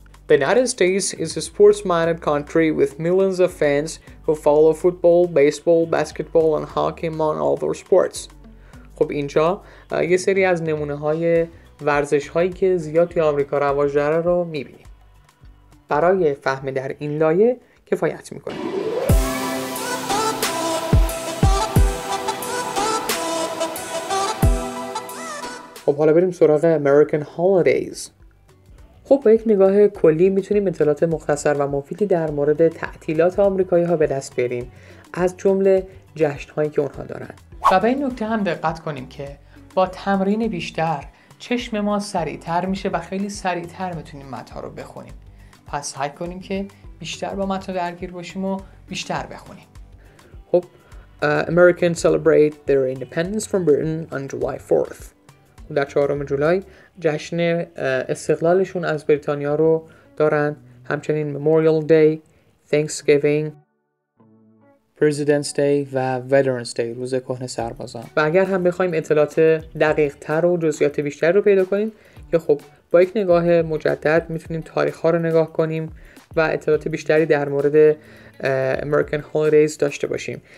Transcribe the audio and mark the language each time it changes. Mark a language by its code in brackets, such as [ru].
[en] The United States is a sports-minded country with millions of fans who follow football, baseball, basketball and hockey among all their sports. [fa] خب اینجا یه سری از نمونه های ورزش هایی که زیاد توی آمریکا رواج داره رو میبینیم. برای فهم در این لایه کفایت میکنیم. خب حالا بریم سراغ American Holidays. خب با یک نگاه کلی میتونیم اطلاعات مختصر و مفیدی در مورد تعطیلات آمریکایی ها به دست بیاریم، از جمله جشن‌هایی که اونها دارن. و به این نکته هم دقت کنیم که با تمرین بیشتر چشم ما سریع‌تر میشه و خیلی سریع‌تر میتونیم متن‌ها رو بخونیم. پس سعی کنیم که بیشتر با متن‌ها درگیر باشیم و بیشتر بخونیم. [en] خب American celebrate their independence from Britain on July 4th. [fa] در 4 جولای جشن استقلالشون از بریتانیا رو دارن. همچنین Memorial Day, Thanksgiving, President's Day و Veterans Day، روز کهنه سربازان. و اگر هم بخوایم اطلاعات دقیق تر و جزئیات بیشتر رو پیدا کنیم، یا خب با یک نگاه مجدد میتونیم تاریخ ها رو نگاه کنیم و اطلاعات بیشتری در مورد American Holidays داشته باشیم.